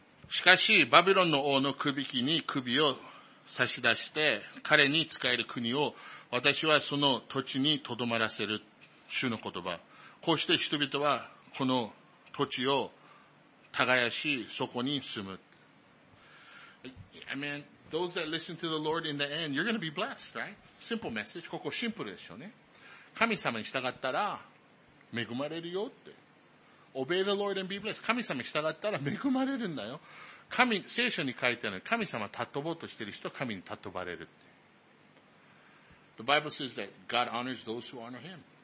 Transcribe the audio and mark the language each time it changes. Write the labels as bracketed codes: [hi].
[ja] しかし、バビロンの王の首輝きに首を差し出して、彼に仕える国を、私はその土地に留まらせる。主の言葉。こうして人々は、この土地を耕し、そこに住む。 [en] Amen. Those that listen to the Lord in the end, you're going to be blessed, right? Simple message. [ja] ここシンプルですよね。神様に従ったら恵まれるよって。 [en] Obey the Lord and be blessed. [ja] 神様に従ったら恵まれるんだよ。神、聖書に書いてあるのに神様たとぼうとしてる人、神にたとばれるって。 [en] The Bible says that God honors those who honor Him.